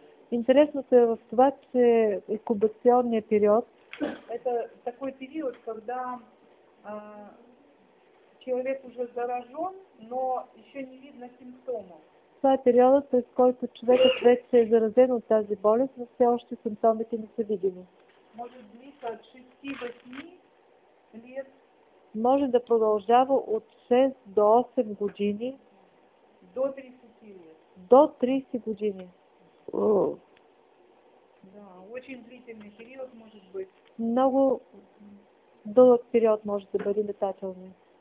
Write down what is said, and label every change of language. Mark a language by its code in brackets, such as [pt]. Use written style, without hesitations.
[bg] Интересното е в това, че инкубационният период [ru] это такой период, когда человек уже заражен, но еще не видно симптомов. [bg] Това е периодът, през който човекът вече е заразен от тази болест, но все още симптомите не са видими. [ru] Може да длиться от 6-8 лет. [bg] Може да продължава от 6 до 8 години. [ru] До 30 лет. [bg] До 30 години. [ru] Да, очень длительный период может быть. [bg] Много дълъг период може да бъде летателни.